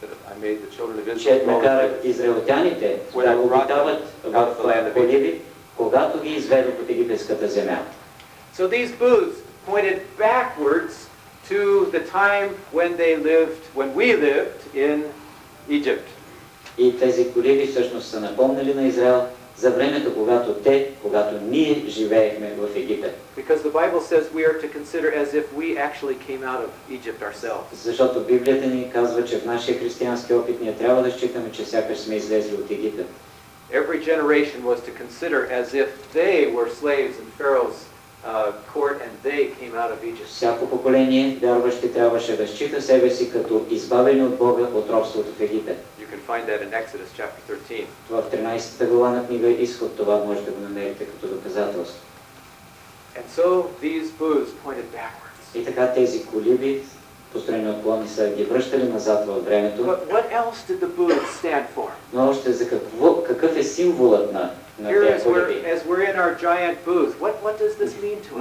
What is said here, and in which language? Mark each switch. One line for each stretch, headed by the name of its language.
English: I made the children of Israel So these booths pointed backwards to the time when they lived, when we lived in Egypt.
Bulgarian: И тези колиби всъщност са напомнили на Израел за времето, когато те, когато ние живеехме в Египет.
English: Because the Bible says we are to consider as if we actually came out of Egypt ourselves.
Bulgarian: Защото Библията ни казва, че в нашия християнски опит ние трябва да считаме, че сякаш сме излезли от Египет.
English: Every generation was to consider as if they were slaves in Pharaoh's court and they came out of Egypt.
Bulgarian: Всяко поколение вярващи трябваше да счита себе си като избавени от Бога от робството в Египет.
English: You can find that in Exodus chapter 13.
Bulgarian: Това в 13-та глава на книга Изход, това може да го намерите като доказателство.
English: And so these booths pointed backwards.
Bulgarian: И така тези колиби, построени от клони, са ги връщали назад във времето.
English: But what else did the booths stand for?
Bulgarian: Но още за какво, какъв е символът на
English: Here as we're in our giant booth, what does this mean to us?